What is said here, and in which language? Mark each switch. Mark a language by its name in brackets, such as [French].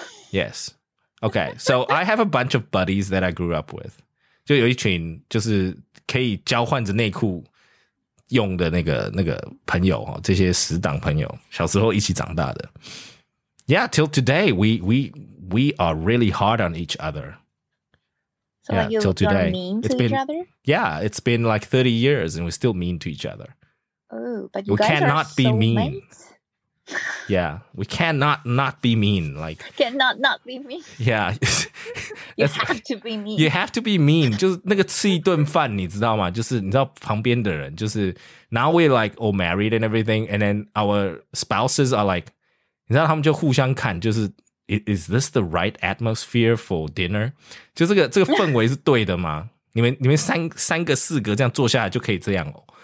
[English] Yes. Okay. So I have a bunch of buddies that I grew up with. [Chinese] 就有一群就是可以交换着内裤。用的那个朋友哦，这些死党朋友，小时候一起长大的。 [English] Yeah, till today, we are really hard on each other. So yeah, like you've done mean to each other? Yeah, it's been like 30 years and we're still mean to each other. We cannot be mean. Yeah, we cannot not be mean. Like, cannot not be mean. Yeah. You have to be mean. [Chinese] 就是那个吃一顿饭，你知道吗？就是你知道旁边的人，就是 [English] now we're like all married and everything, and then our spouses are like, [Chinese] 你知道他们就互相看，就是 [English] is this the right atmosphere for dinner? [Chinese] 就这个氛围是对的吗？你们三个四个这样坐下来就可以这样哦？